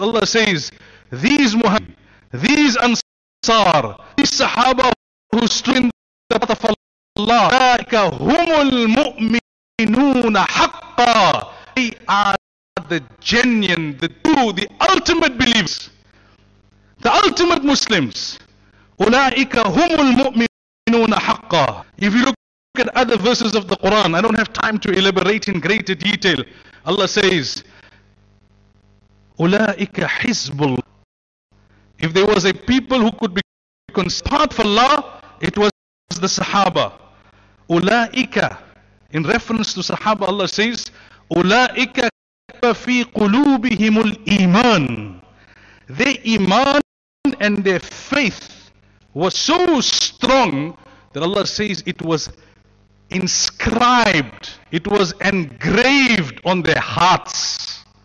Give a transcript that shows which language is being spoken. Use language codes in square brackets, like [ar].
[en] Allah says, these Muhammad, these Ansar, these Sahaba who stood in the path of Allah, [ar] ذَلَكَ هُمُ الْمُؤْمِنُونَ حَقَّى, [en] they are the genuine, the true, the ultimate believers, the ultimate Muslims. [ar] أُولَٰئِكَ هُمُ الْمُؤْمِنُونَ حَقًّا. [en] If you look at other verses of the Quran, I don't have time to elaborate in greater detail. Allah says, [ar] أُولَٰئِكَ حِزْبُ اللَّهِ. [en] If there was a people who could be part for Allah, it was the Sahaba. [ar] أُولَٰئِكَ. [en] In reference to Sahaba, Allah says, [ar] أُولَٰئِكَ فِي قُلُوبِهِمُ الْإِيمَانِ. [en] Their iman and their faith was so strong that Allah says it was inscribed, it was engraved on their hearts.